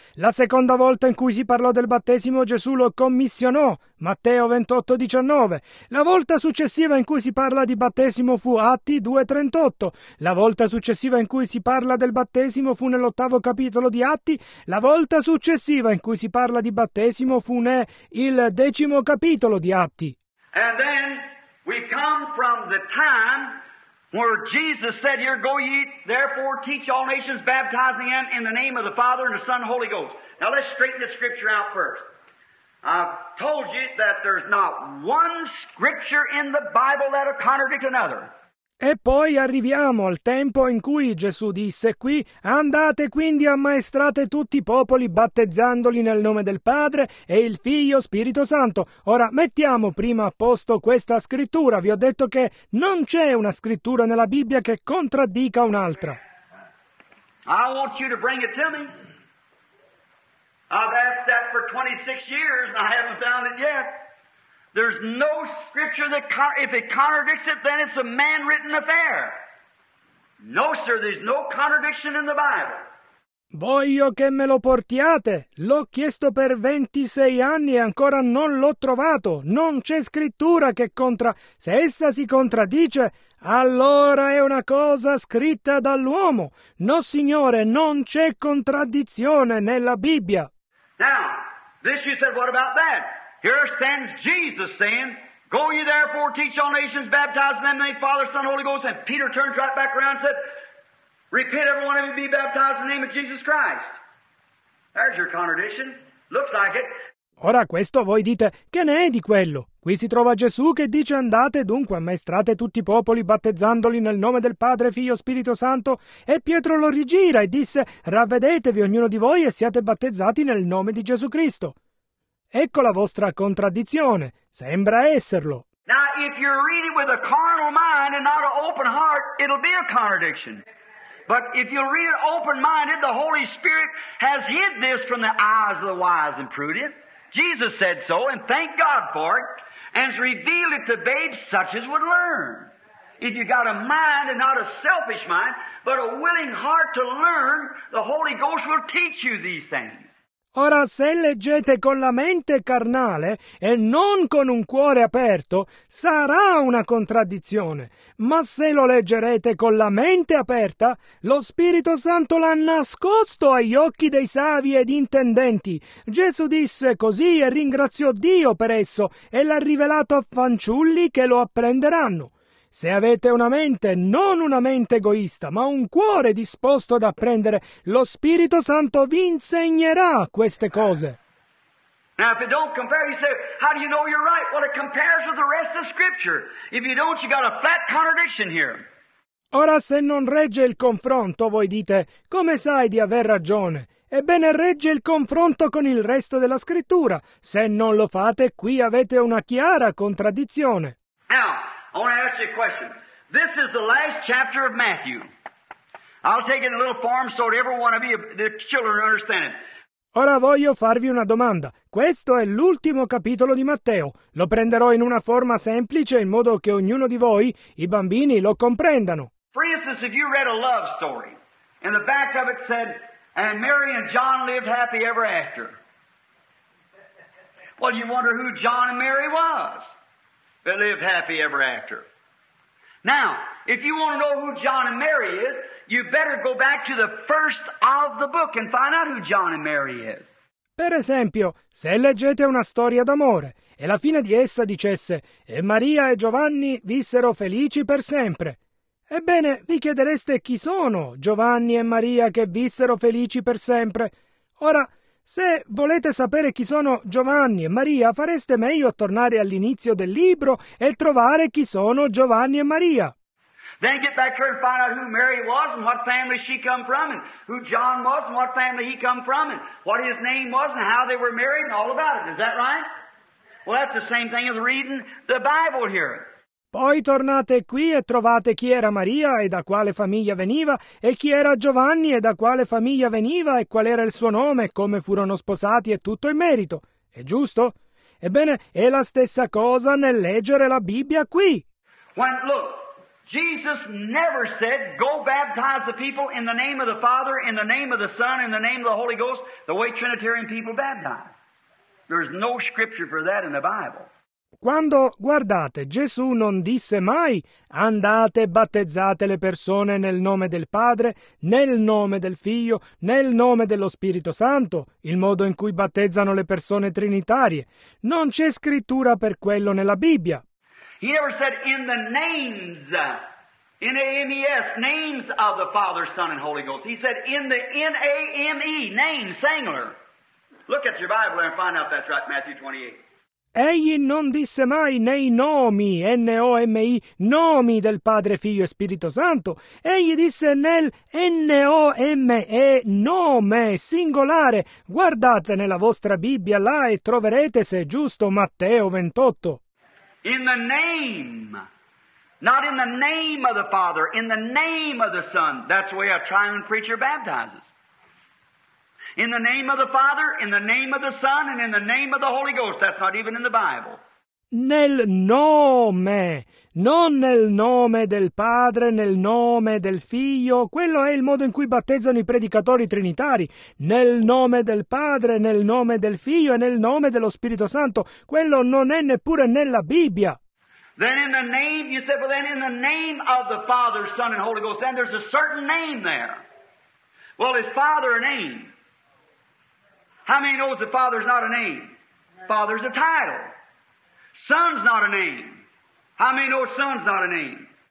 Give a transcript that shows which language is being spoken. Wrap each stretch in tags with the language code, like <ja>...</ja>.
<it>La seconda volta in cui si parlò del battesimo Gesù lo commissionò, Matteo 28:19. La volta successiva in cui si parla di battesimo fu Atti 2:38. La volta successiva in cui si parla del battesimo fu nell'ottavo capitolo di Atti. La volta successiva in cui si parla di battesimo fu nel decimo capitolo di Atti.</it> <en>And then we come from the time where Jesus said, here go ye, therefore teach all nations, baptizing them in the name of the Father and the Son and the Holy Ghost. Now let's straighten this scripture out first. I've told you that there's not one scripture in the Bible that'll contradict another.</en> <it>E poi arriviamo al tempo in cui Gesù disse qui, andate quindi ammaestrate tutti i popoli battezzandoli nel nome del Padre e il Figlio Spirito Santo. Ora mettiamo prima a posto questa scrittura, vi ho detto che non c'è una scrittura nella Bibbia che contraddica un'altra.</it> <en>I want you to bring it to me. I've asked that for 26 years and I haven't found it yet. There's no scripture that, if it contradicts it, then it's a man-written affair. No, sir, there's no contradiction in the Bible.</en> <it>Voglio che me lo portiate. L'ho chiesto per 26 anni e ancora non l'ho trovato. Non c'è scrittura che contra... Se essa si contraddice, allora è una cosa scritta dall'uomo. No, signore, non c'è contraddizione nella Bibbia.</it> <en>Now, this you said, what about that? Here stands Jesus saying, go ye therefore, teach all nations, baptize them in the name of the Father, Son, and Holy Ghost. And Peter turns right back around and said, repent, every one of you, be baptized in the name of Jesus Christ. There's your contradiction. Looks like it.</en> <it>Ora questo voi dite, che ne è di quello? Qui si trova Gesù che dice, andate dunque, ammaestrate tutti i popoli, battezzandoli nel nome del Padre, Figlio, Spirito Santo. E Pietro lo rigira e disse, ravvedetevi ognuno di voi e siate battezzati nel nome di Gesù Cristo. Ecco la vostra contraddizione. Sembra esserlo.</it> <en>Now, if you read it with a carnal mind and not an open heart, it'll be a contradiction. But if you read it open-minded, the Holy Spirit has hid this from the eyes of the wise and prudent. Jesus said so, and thank God for it, and has revealed it to babes such as would learn. If you got a mind, and not a selfish mind, but a willing heart to learn, the Holy Ghost will teach you these things.</en> <it>Ora, se leggete con la mente carnale e non con un cuore aperto, sarà una contraddizione. Ma se lo leggerete con la mente aperta, lo Spirito Santo l'ha nascosto agli occhi dei savi ed intendenti. Gesù disse così e ringraziò Dio per esso e l'ha rivelato a fanciulli che lo apprenderanno. Se avete una mente, non una mente egoista, ma un cuore disposto ad apprendere, lo Spirito Santo vi insegnerà queste cose.</it> <en>Now, if you don't compare, you say, how do you know you're right? Well, it compares with the rest of Scripture. If you don't, you got a flat contradiction here.</en> <it>Ora, se non regge il confronto, voi dite, come sai di aver ragione? Ebbene, regge il confronto con il resto della Scrittura. Se non lo fate, qui avete una chiara contraddizione.</it> <en>Now, I want to ask you a question. This is the last chapter of Matthew. I'll take it in a little form so that every one of you, the children, understand it.</en> <it>Ora voglio farvi una domanda. Questo è l'ultimo capitolo di Matteo. Lo prenderò in una forma semplice in modo che ognuno di voi, i bambini, lo comprendano.</it> <en>For instance, if you read a love story, and the back of it said, and Mary and John lived happy ever after. Well, you wonder who John and Mary was. They lived happy ever after. Now, if you want to know who John and Mary is, you better go back to the first of the book and find out who John and Mary is.</en> <it>Per esempio, se leggete una storia d'amore e la fine di essa dicesse e Maria e Giovanni vissero felici per sempre, ebbene, vi chiedereste chi sono Giovanni e Maria che vissero felici per sempre. Ora, se volete sapere chi sono Giovanni e Maria, fareste meglio tornare all'inizio del libro e trovare chi sono Giovanni e Maria.</it> <en>Then get back here and find out who Mary was and what family she come from and who John was and what family he come from and what his name was and how they were married and all about it. Is that right? Well, that's the same thing as reading the Bible here.</en> <it>Poi tornate qui e trovate chi era Maria e da quale famiglia veniva e chi era Giovanni e da quale famiglia veniva e qual era il suo nome e come furono sposati e tutto in merito. È giusto? Ebbene, è la stessa cosa nel leggere la Bibbia qui.</it> <en>When, look, Jesus never said, go baptize the people in the name of the Father, in the name of the Son, in the name of the Holy Ghost, the way Trinitarian people baptize. There's no scripture for that in the Bible.</en> <it>Quando, guardate, Gesù non disse mai andate, battezzate le persone nel nome del Padre, nel nome del Figlio, nel nome dello Spirito Santo, il modo in cui battezzano le persone trinitarie. Non c'è scrittura per quello nella Bibbia.</it> <en>He never said in the names, N-A-M-E-S, names of the Father, Son, and Holy Ghost. He said in the N-A-M-E, name, singular. Look at your Bible and find out that's right, Matthew 28.</en> <it>Egli non disse mai nei nomi, N-O-M-I, nomi del Padre, Figlio e Spirito Santo. Egli disse nel N-O-M-E, nome, singolare. Guardate nella vostra Bibbia là e troverete, se è giusto, Matteo 28.</it> <en>In the name, not in the name of the Father, in the name of the Son. That's the way a triune preacher baptizes. In the name of the Father, in the name of the Son, and in the name of the Holy Ghost. That's not even in the Bible.</en> <it>Nel nome, non nel nome del Padre, nel nome del Figlio. Quello è il modo in cui battezzano i predicatori trinitari. Nel nome del Padre, nel nome del Figlio e nel nome dello Spirito Santo. Quello non è neppure nella Bibbia.</it> <en>Then in the name, you said, well then in the name of the Father, Son, and Holy Ghost. And there's a certain name there. Well, is Father a name? How many knows that Father's not a name? Father's a title. Son's not a name. How many know Son's not a name?</en>